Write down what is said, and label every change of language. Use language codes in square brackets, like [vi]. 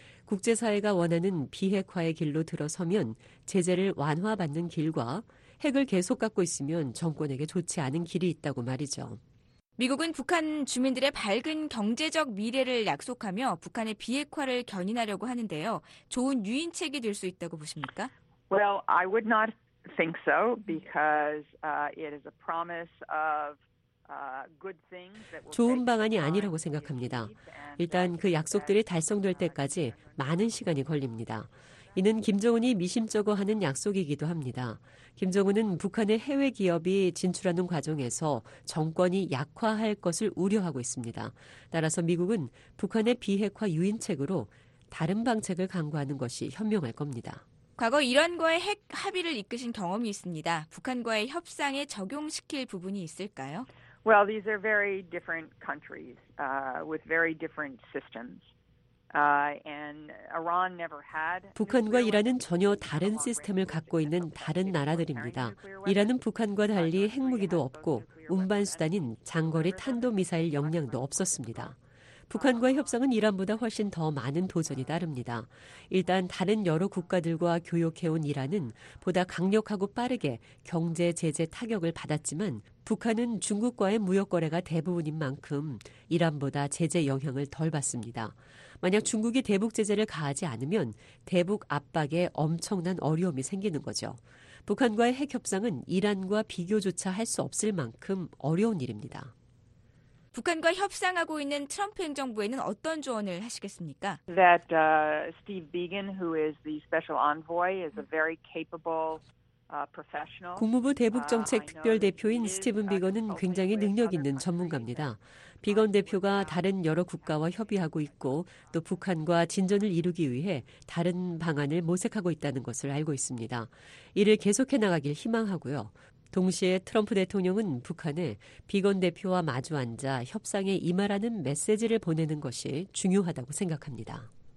[ko] 국제사회가 원하는 비핵화의 길로 들어서면 제재를 완화받는 길과 핵을 계속 갖고 있으면 정권에게 좋지 않은 길이 있다고 말이죠. 미국은 북한 주민들의 밝은 경제적 미래를 약속하며 북한의 비핵화를 견인하려고 하는데요. 좋은 유인책이 될 수 있다고 보십니까? [en] Well, I would not think so because it is a promise of [ko] 좋은 방안이 아니라고 생각합니다. 일단 그 약속들이 달성될 때까지 많은 시간이 걸립니다. 이는 김정은이 미심쩍어하는 약속이기도 합니다. 김정은은 북한의 해외 기업이 진출하는 과정에서 정권이 약화할 것을 우려하고 있습니다. 따라서 미국은 북한의 비핵화 유인책으로 다른 방책을 강구하는 것이 현명할 겁니다. 과거 이란과의 핵 합의를 이끄신 경험이 있습니다. 북한과의 협상에 적용시킬 부분이 있을까요? [en] Well, these are very different countries with very different systems. And Iran never had. [ko] 북한과 이란은 전혀 다른 시스템을 갖고 있는 다른 나라들입니다. 이란은 북한과 달리 핵무기도 없고 운반 수단인 장거리 탄도 미사일 역량도 없었습니다. 북한과의 협상은 이란보다 훨씬 더 많은 도전이 따릅니다. 일단 다른 여러 국가들과 교역해온 이란은 보다 강력하고 빠르게 경제 제재 타격을 받았지만 북한은 중국과의 무역 거래가 대부분인 만큼 이란보다 제재 영향을 덜 받습니다. 만약 중국이 대북 제재를 가하지 않으면 대북 압박에 엄청난 어려움이 생기는 거죠. 북한과의 핵 협상은 이란과 비교조차 할 수 없을 만큼 어려운 일입니다. 북한과 협상하고 있는 트럼프 행정부에는 어떤 조언을 하시겠습니까? [en] That Steve Biegun, who is the special envoy, is a very capable professional. [ko] 국무부 대북정책 특별대표인 스티븐 비건은 굉장히 능력 있는 전문가입니다. 비건 대표가 다른 여러 국가와 협의하고 있고 또 북한과 진전을 이루기 위해 다른 방안을 모색하고 있다는 것을 알고 있습니다. 이를 계속해 나가길 희망하고요. 동시에 트럼프 대통령은 북한에 비건 대표와 마주 앉아 협상에 임하라는 메시지를 보내는 것이 중요하다고 생각합니다.